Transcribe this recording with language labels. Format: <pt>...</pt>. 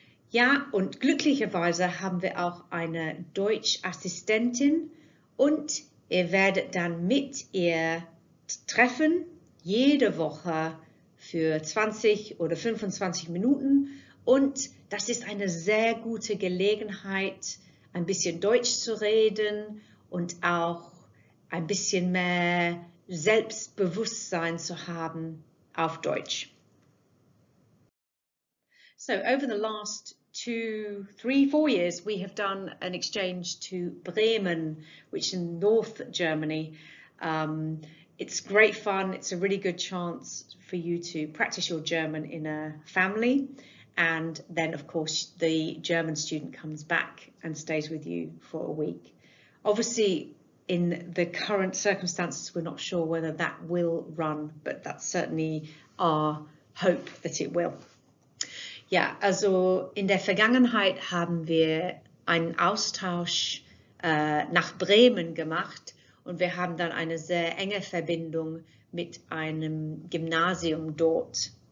<de>Ja, und glücklicherweise haben wir auch eine Deutschassistentin und ihr werdet dann mit ihr treffen, jede Woche für 20 oder 25 Minuten. Und das ist eine sehr gute Gelegenheit, ein bisschen Deutsch zu reden und auch ein bisschen mehr Selbstbewusstsein zu haben auf Deutsch.</de> <en>So, over the last 2, 3, 4 years, we have done an exchange to Bremen, which is in North Germany. It's great fun. It's a really good chance for you to practice your German in a family. And then, of course, the German student comes back and stays with you for a week. Obviously, in the current circumstances, we're not sure whether that will run, but that's certainly our hope that it will.</en> <de>Ja, also in der Vergangenheit haben wir einen Austausch nach Bremen gemacht und wir haben dann eine sehr enge Verbindung mit einem Gymnasium dort.</de>